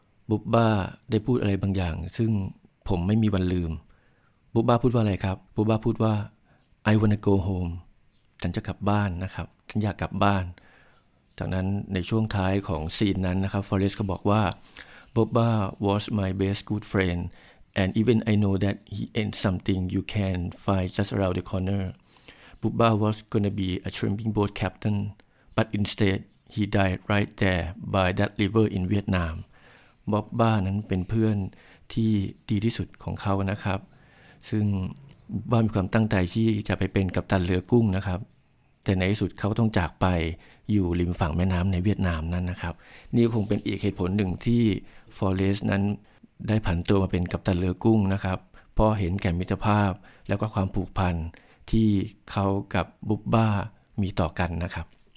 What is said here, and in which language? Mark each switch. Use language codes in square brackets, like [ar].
[th] Bubba ได้พูดอะไรบางอย่างซึ่งผมไม่มีวันลืม Bubba พูดว่าอะไรครับ Bubba พูดว่า [en] I wanna go home. [th] ฉันจะกลับบ้านนะครับฉันอยากกลับบ้านจากนั้นในช่วงท้ายของซีนนั้นนะครับ Forest ก็บอกว่า [en] Bubba was my best good friend and even I know that he ain't something you can find just around the corner. Bubba was gonna be a shrimping boat captain but instead,He died right there by that river in Vietnam. [th] Bubba นั้นเป็นเพื่อนที่ดีที่สุดของเขานะครับซึ่ง Bubba มีความตั้งใจที่จะไปเป็นกัปตันเรือกุ้งนะครับแต่ในที่สุดเขาต้องจากไปอยู่ริมฝั่งแม่น้ำในเวียดนามนั่นนะครับนี่คงเป็นอีกเหตุผลหนึ่งที่ Forest นั้นได้ผันตัวมาเป็นกัปตันเรือกุ้งนะครับเพราะเห็นแก่มิตรภาพแล้วก็ความผูกพันที่เขากับ Bubba มีต่อกันนะครับ